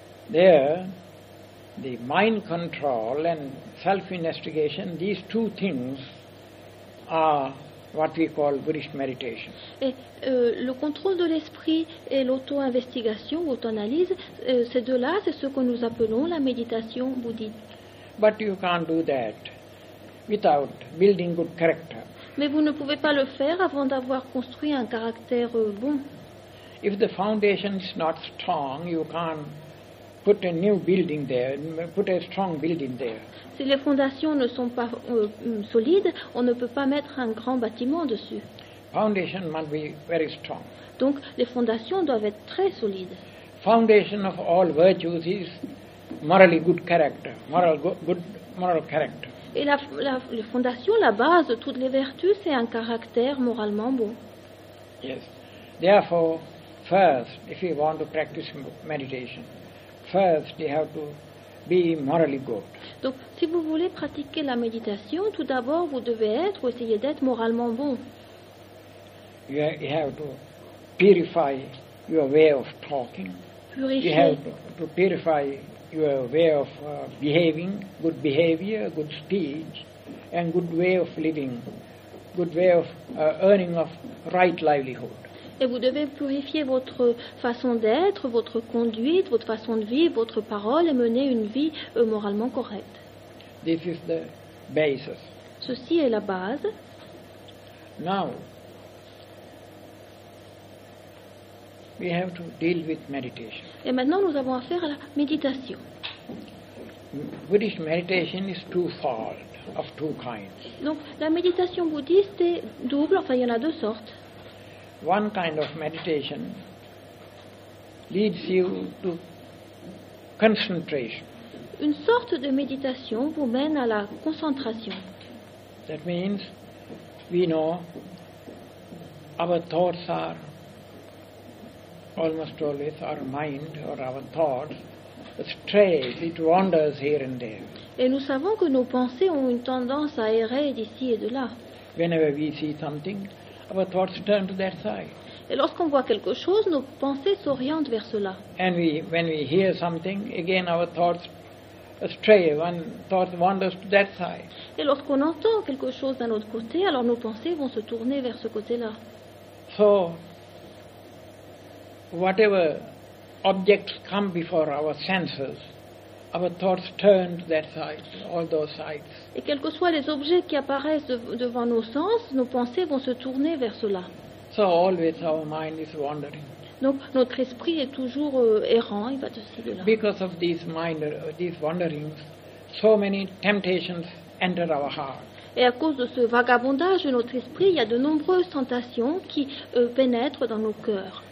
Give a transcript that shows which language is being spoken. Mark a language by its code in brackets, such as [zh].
[en] There, the mind control and self-investigation, these two things are what we call Buddhist meditation. [fr] Et le contrôle de l'esprit et l'auto-investigation, auto-analyse, ces deux-là, c'est ce que nous appelons la méditation bouddhique. [en] But you can't do that without building good character. [fr] Mais vous ne pouvez pas le faire avant d'avoir construit un caractère bon. [en] If the foundation is not strong, you can't put a new building there, put a strong building there. [fr] Si les fondations ne sont pas solides, on ne peut pas mettre un grand bâtiment dessus. [en] Foundation must be very strong. [fr] Donc les fondations doivent être très solides. [en] Foundation of all virtues is morally good character, moral good moral character. [fr] Et la fondation, la base de toutes les vertus, c'est un caractère moralement bon. [en] Yes. Therefore, first, if you want to practice meditation, first, you have to be morally good. [fr] Donc, si vous voulez pratiquer la méditation, tout d'abord, vous devez être ou essayer d'être moralement bon. [en] You have to purify your way of talking. [fr] Purifier. [en] You have to purify your way of behaving, good behavior, good speech, and good way of living, good way of earning of right livelihood. [fr] Et vous devez purifier votre façon d'être, votre conduite, votre façon de vivre, votre parole et mener une vie moralement correcte. [en] This is the basis. [fr] Ceci est la base. [en] Now, we have to deal with meditation. [fr] Et maintenant, nous avons affaire à la méditation. [en] Buddhist meditation is twofold, of two kinds. [fr] Donc, la méditation bouddhiste est double, enfin, il y en a deux sortes. [en] One kind of meditation leads you to concentration. [fr] Une sorte de méditation vous mène à la concentration. [en] That means we know our thoughts are, almost always our mind or our thoughts strays, it wanders here and there. [fr] Et nous savons que nos pensées ont une tendance à errer d'ici et de là. [en] Whenever we see something, our thoughts turn to that side. [fr] Et lorsqu'on voit quelque chose, nos pensées s'orientent vers cela. [en] And we, when we hear something, again our thoughts astray, one thought wanders to that side. [fr] Et lorsqu'on entend quelque chose d'un autre côté, alors nos pensées vont se tourner vers ce côté-là. [en] So, whatever objects come before our senses, our thoughts turn to that side, all those sides. [fr] Et quels que soient les objets qui apparaissent devant nos sens, nos pensées vont se tourner vers cela. [en] So always our mind is wandering. [fr] Donc notre esprit est toujours errant, il va de ci de là. [en] Because of these minor, these wanderings, so many temptations enter our heart. [fr] Et à cause de ce vagabondage de notre esprit, il y a de nombreuses tentations qui pénètrent dans nos cœurs.